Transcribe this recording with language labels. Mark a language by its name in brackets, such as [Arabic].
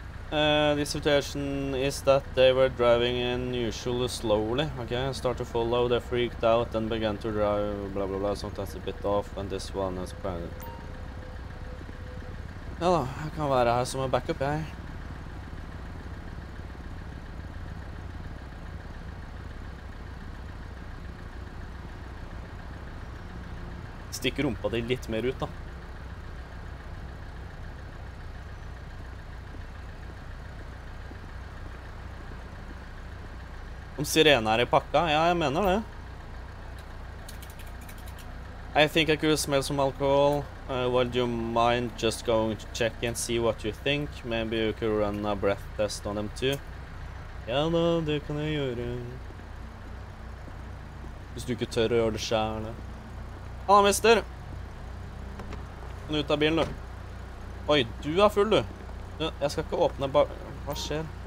[English] The situation is that they were driving unusually slowly, okay? Start to follow, they freaked out and began to drive, blah blah blah, sometimes a bit off, and this one is quite... [Norwegian] Ja da, jeg kan være her som en backup, jeg. Stikk rumpa di litt mer ut, da. Om sirene er i pakka? Ja, jeg mener det. [English] I think I could smell some alcohol. Would you mind just going to check and see what you think? Maybe you could run a breath test on them too. [Norwegian] Ja da, det kan jeg gjøre. Hvis du ikke tør å gjøre det selv. Hallo, mister! Kom ut av bilen, du. Oi, du er full, du. Jeg skal ikke åpne bak... Hva skjer?